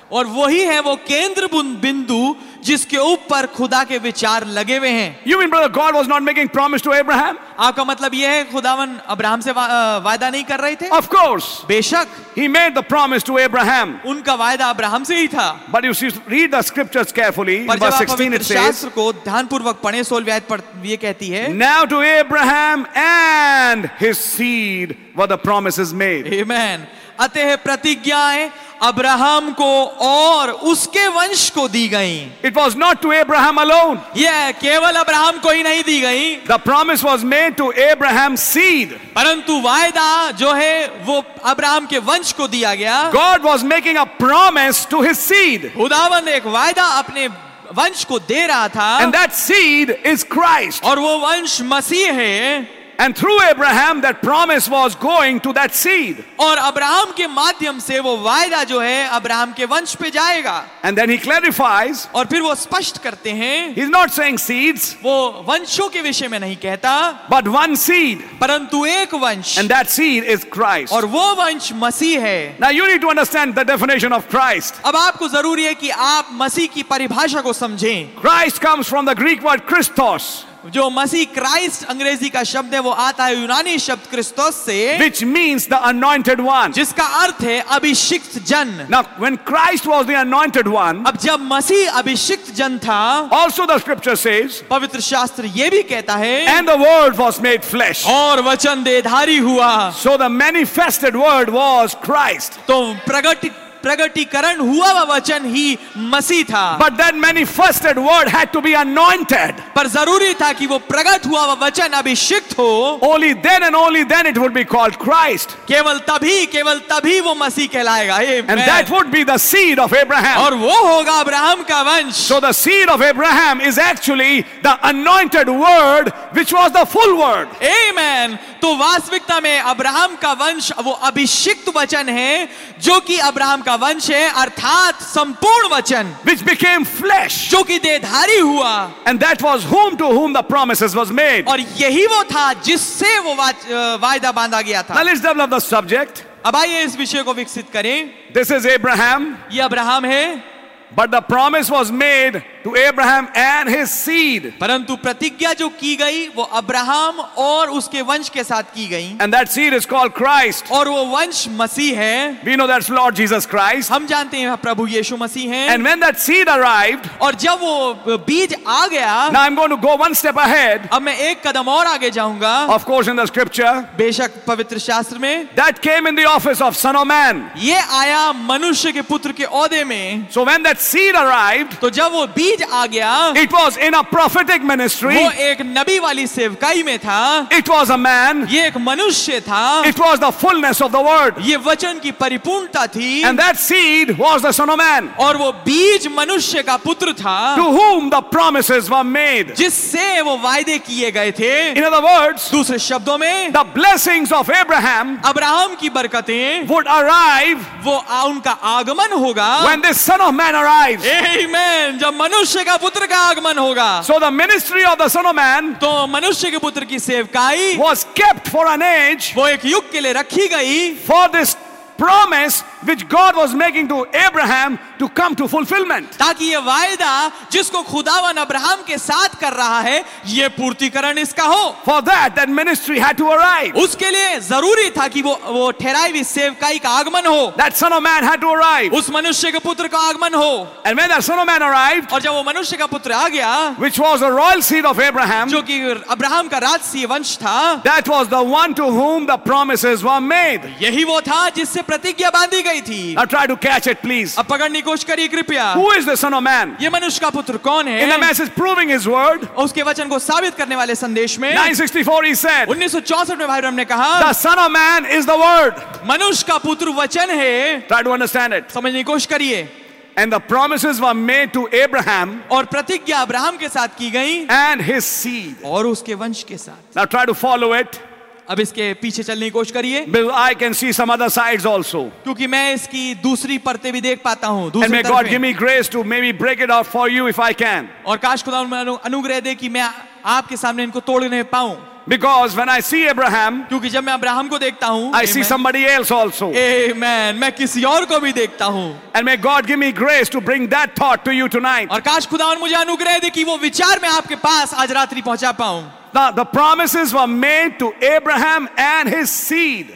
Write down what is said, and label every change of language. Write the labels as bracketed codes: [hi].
[hi] और वही है वो केंद्र बिंदु जिसके ऊपर खुदा के विचार लगे हुए हैं. [en] You mean brother, God was not making promise to Abraham? [hi] आपका मतलब ये है खुदावन अब्राहम से वायदा नहीं कर रहे थे? [en] Of course. [hi] बेशक. [en] He made the promise to Abraham. [hi] उनका वायदा अब्राहम से ही था. [en] But you see, read the scriptures carefully. [hi] पर जब आप शास्त्र को ध्यानपूर्वक पढ़ें, 16वीं आयत पर ये कहती है. [en] Now to Abraham and his seed were the promises made. Amen. [hi] अतः प्रतिज्ञाएं अब्राहम को और उसके वंश को दी गई. [en] It was not to Abraham alone. [hi] यह केवल अब्राहम को ही नहीं दी गई. [en] The promise was made to Abraham seed. [hi] परंतु वायदा जो है वो अब्राहम के वंश को दिया गया. [en] God was making a promise to his seed. [hi] खुदावन एक वायदा अपने वंश को दे रहा था. [en] And that seed is Christ. [hi] और वो वंश मसीह है. [en] And through Abraham, that promise was going to that seed. [hi] और अब्राहम के माध्यम से वो वायदा जो है अब्राहम के वंश पे जाएगा. [en] And then he clarifies. [hi] और फिर वो स्पष्ट करते हैं. [en] He's not saying seeds. [hi] वो वंशों के विषय में नहीं कहता. [en] But one seed. [hi] परंतु एक वंश. [en] And that seed is Christ. [hi] और वो वंश मसीह है. [en] Now you need to understand the definition of Christ. [hi] अब आपको जरूरी है कि आप मसीह की परिभाषा को समझें. [en] Christ comes from the Greek word Christos. [hi] जो मसीह क्राइस्ट अंग्रेजी का शब्द है वो आता है यूनानी शब्द क्रिस्टोस से, [en] which means the anointed one, [hi] जिसका अर्थ है अभिषिक्त जन. [en] now when Christ was the anointed one, [hi] अब जब मसीह अभिषिक्त जन था, [en] also the scripture says, [hi] पवित्र शास्त्र ये भी कहता है, [en] and the word was made flesh, [hi] और वचन देहधारी हुआ. [en] so the manifested word was Christ, [hi] तो प्रगटीकरण हुआ वह वचन ही मसीह था. [en] But that manifested word had to be anointed. [hi] पर जरूरी था कि वो प्रगट हुआ वह वचन अभिषिक्त हो. [en] Only then and only then it would be called Christ. [hi] केवल तभी वो मसीह कहलाएगा. [en] And that would be the seed of Abraham. [hi] और वो होगा अब्राहम का वंश. [en] So the seed of Abraham is actually the anointed word, which was the full word. Amen. [hi] तो वास्तविकता में अब्राहम का वंश वो अभिषिक्त वचन है जो कि अब्राहम का वंश है, अर्थात संपूर्ण वचन, [en] which became flesh, [hi] जो कि देहधारी हुआ, [en] and that was whom to whom the promises was made, [hi] और यही वो था जिससे वो वायदा बांधा गया था. [en] Now let's develop the subject. [hi] अब आइए इस विषय को विकसित करें. [en] This is Abraham. [hi] ये अब्राहम है. [en] But the promise was made to Abraham and his seed. [hi] परंतु प्रतिज्ञा जो की गई वो अब्राहम और उसके वंश के साथ की गई. [en] And that seed is called Christ. [hi] और वो वंश मसीह है. [en] We know that's Lord Jesus Christ. [hi] हम जानते हैं प्रभु यीशु मसीह हैं. [en] And when that seed arrived. [hi] और जब वो बीज आ गया. [en] Now I'm going to go one step ahead. [hi] अब मैं एक कदम और आगे जाऊंगा. [en] Of course in the scripture. [hi] बेशक पवित्र शास्त्र में. [en] That came in the office of Son of Man. [hi] ये आया मनुष्य के पुत्र के ओहदे में. [en] So when that seed arrived, [hi] तो जब वो बीज आ गया, [en] it was in a prophetic ministry, [hi] वो एक नबी वाली सेवकाई में था, [en] it was a man, [hi] ये एक मनुष्य था, [en] it was the fullness of the word, [hi] ये वचन की परिपूर्णता थी, [en] and that seed was the son of man, [hi] और वो बीज मनुष्य का पुत्र था, [en] to whom the promises were made, [hi] जिससे वो वायदे किए गए थे. [en] In other words, [hi] दूसरे शब्दों में, [en] the blessings of Abraham, [hi] Abraham की बरकतें, [en] would arrive, [hi] वो उनका आगमन होगा, [en] when this son of man Amen. [hi] जब मनुष्य का पुत्र का आगमन होगा. [en] So the ministry of the Son of Man, [hi] तो मनुष्य के पुत्र की सेवकाई, [en] was kept for an age, [hi] वो एक युग के लिए रखी गई, [en] for this promise which God was making to Abraham to come to fulfillment. [hi] ताकि ये वायदा जिसको खुदावन अब्राहम के साथ कर रहा है, ये पूर्तिकरण इसका हो. [en] For that ministry had to arrive. [hi] उसके लिए जरूरी था कि वो ठहराई हुई सेवकाई का आगमन हो. [en] That son of man had to arrive. [hi] उस मनुष्य के पुत्र का आगमन हो. [en] And when that son of man arrived, [hi] और जब वो मनुष्य का पुत्र आ गया, [en] which was a royal seed of Abraham, [hi] जो कि अब्राहम का राजसीय वंश था, [en] that was the one to whom the promises were made. [hi] यही वो था जिससे प्रतिज्ञा बांधी गई थी. [en] Now try to catch it, please. [hi] अब पकड़ने की कोशिश करिए कृपया. [en] Who is the son of man? [hi] ये मनुष्य का पुत्र कौन है? [en] In the message proving his word, [hi] उसके वचन को साबित करने वाले संदेश में, [en] 964 he said, [hi] 1964 में भाई ब्रह्म ने कहा, [en] the son of man is the word. [hi] मनुष्य का पुत्र वचन है. [en] Try to understand it. [hi] समझने की कोशिश करिए. [en] And the promises were made to Abraham, [hi] और प्रतिज्ञा अब्राहम के साथ की गई, [en] and his seed, [hi] और उसके वंश के साथ. [en] Now try to follow it. [hi] अब इसके पीछे चलने की कोशिश करिए. [en] I can see some other sides also. [hi] क्योंकि मैं इसकी दूसरी परतें भी देख पाता हूँ. [en] And may God give me grace to maybe break it out for you if I can. [hi] और काश खुदा अनुग्रह दे कि मैं आपके सामने इनको तोड़ने पाऊँ. [en] Because when I see Abraham, [hi] क्योंकि जब मैं अब्राहम को देखता हूँ, [en] I see somebody else also. Amen. [hi] मैं किसी और को भी देखता हूँ. [en] And may God give me grace to bring that thought to you tonight. [hi] और काश खुदा मुझे अनुग्रह दे कि वो विचार मैं आपके पास आज रात्रि पहुंचा पाऊँ. [en] The promises were made to Abraham and his seed.